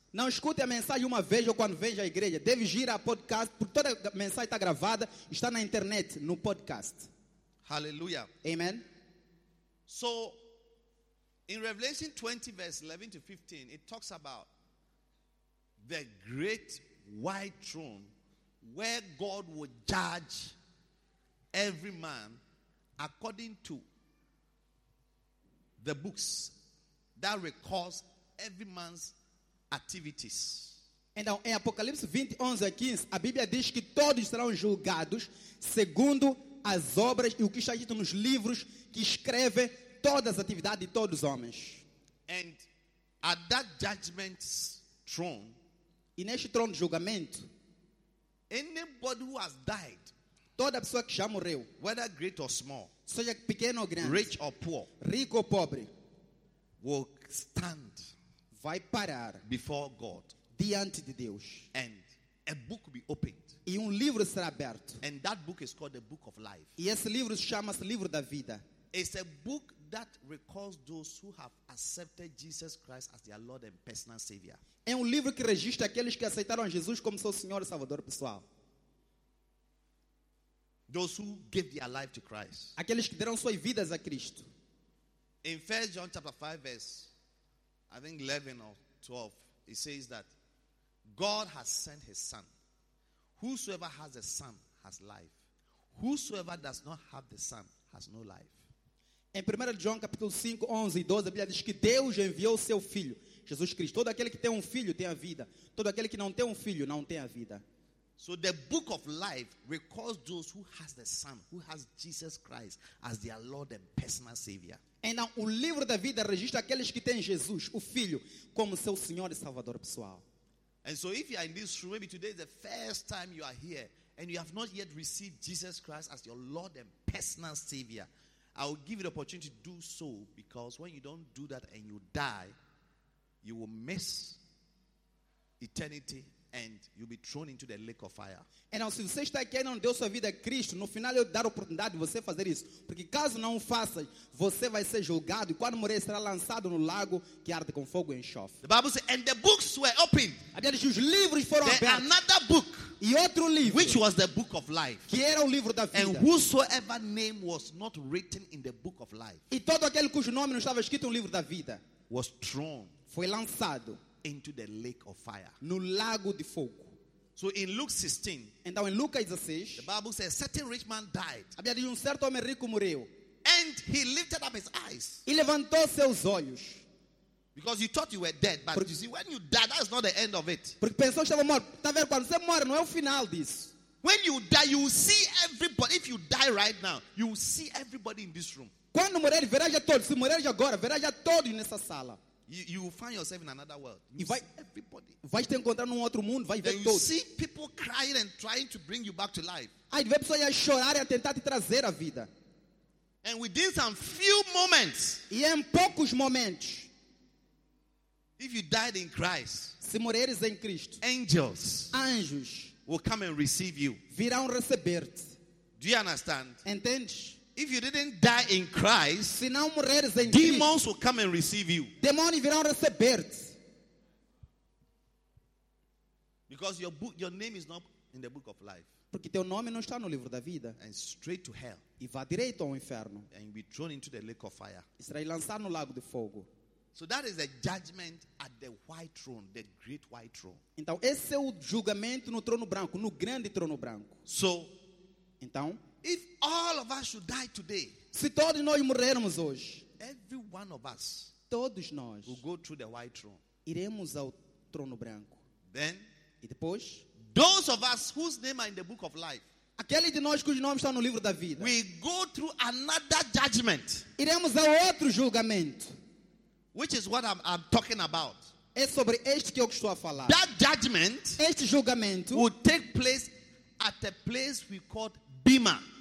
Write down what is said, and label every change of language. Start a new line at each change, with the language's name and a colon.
Portuguese: Não escute a mensagem uma vez ou quando veja a igreja. Deve girar a podcast, porque toda a mensagem está gravada, está na internet, no podcast.
English: Hallelujah. Amen. So, in Revelation 20, verse 11 to 15, it talks about the great white throne where God will judge every man according to the books that records every man's activities.
Portuguese: Então, em Apocalipse 20, 11 a 15, a Bíblia diz que todos serão julgados segundo as obras e o que está dito nos livros que escreve todas as atividades de todos os homens.
English: And at that judgment throne,
Portuguese: e neste trono de julgamento,
English: anybody who has died,
Portuguese: toda pessoa que já morreu,
English: whether great or small,
Portuguese: seja pequeno ou grande,
English: rich or poor,
Portuguese: rico ou pobre,
English: will stand,
Portuguese: vai parar,
English: before God,
Portuguese: diante de Deus,
English: and a book will be opened,
Portuguese: e livro será aberto,
English: and that book is called the book of life.
Portuguese: E esse livro chama-se livro da vida.
English: It's a book that records those who have accepted Jesus Christ as their Lord and personal Savior.
Portuguese: É livro que registra aqueles que aceitaram Jesus como seu Senhor e Salvador pessoal.
English: Those who gave their life to Christ.
Portuguese: Aqueles que deram suas vidas a Cristo.
English: In 1 John chapter 5 verse, I think 11 or 12, it says that God has sent his son. Whosoever has the son has life. Whosoever does not have the son has no life.
Portuguese: Em 1 João capítulo 5, 11 e 12, a Bíblia diz que Deus enviou o seu filho, Jesus Cristo. Todo aquele que tem filho tem a vida. Todo aquele que não tem filho não tem a vida.
English: So the book of life records those who has the son, who has Jesus Christ as their Lord and personal Savior.
Portuguese: Então, o livro da vida registra aqueles que têm Jesus, o Filho, como seu Senhor e Salvador pessoal.
English: And so if you are in this room, maybe today is the first time you are here and you have not yet received Jesus Christ as your Lord and personal Savior, I will give you the opportunity to do so, because when you don't do that and you die, you will miss eternity and you'll be thrown into the lake of fire.
Portuguese: Então, se você está aqui e não deu sua vida a Cristo, no final eu dar a oportunidade de você fazer isso. Porque caso não faça, você vai ser julgado e quando morrer será lançado no lago que arde com fogo e enxofre.
English: The Bible says, and the books were opened.
Portuguese: Os livros foram abertos.
English: Another book.
Portuguese: E outro livro.
English: Which was the book of life.
Portuguese: Que era o livro da vida.
English: And whosoever name was not written in the book of life.
Portuguese: E todo aquele cujo nome não estava escrito no livro da vida.
English: Was thrown.
Portuguese: Foi lançado.
English: Into the lake of fire.
Portuguese: No lago de fogo.
English: So in Luke 16, and now in Luke 16, the Bible says a certain rich man died.
Portuguese: Havia um certo homem rico morreu.
English: And he lifted up his eyes.
Portuguese: E levantou seus olhos.
English: Because you thought you were dead, but you see, when you die, that's not the end of it.
Portuguese: Porque pensou que estava morto. Tá vendo? Quando você morre, não é o final disso.
English: When you die, you will see everybody. If you die right now, you will see everybody in this room.
Portuguese: Quando morrer, verá já todos. Se morrer já agora, verá já todos nessa sala.
English: You will find yourself in another world.
Portuguese: E vai
English: everybody.
Portuguese: Vai te encontrar num outro mundo. Vai ver todos.
English: You see people crying and trying to bring you back to life.
Portuguese: Aí vê pessoas a chorar e a tentar te trazer à vida.
English: And within some few moments.
Portuguese: E em poucos momentos.
English: If you died in Christ.
Portuguese: Se morreres em Cristo.
English: Angels.
Portuguese: Anjos.
English: Will come and receive you.
Portuguese: Virão receber-te.
English: Do you understand?
Portuguese: Entendes?
English: If you didn't die in Christ,
Portuguese: se não morreres em
English: demons
Portuguese: Cristo,
English: will come and receive you.
Portuguese: Demônios virão receber-te.
English: Because your name is not in the book of life.
Portuguese: Porque teu nome não está no livro da vida.
English: And straight to hell.
Portuguese: E vá direito ao inferno.
English: And be thrown into the lake of fire.
Portuguese: E será lançado no lago de fogo.
English: So that is a judgment at the white throne, the great white throne.
Portuguese: Então esse é o julgamento no trono branco, no grande trono branco.
English: So,
Portuguese: então,
English: if all of us should die today,
Portuguese: se todos nós morrermos hoje,
English: every one of us,
Portuguese: todos nós,
English: will go through the white throne.
Portuguese: Iremos ao trono branco.
English: Then,
Portuguese: e depois,
English: those of us whose name are in the book of life,
Portuguese: aquele de nós cujo nome está no livro da vida,
English: we go through another judgment.
Portuguese: Iremos a outro julgamento.
English: Which is what I'm talking about.
Portuguese: É sobre este que eu estou a falar.
English: That judgment,
Portuguese: este julgamento,
English: will take place at a place we call Bima.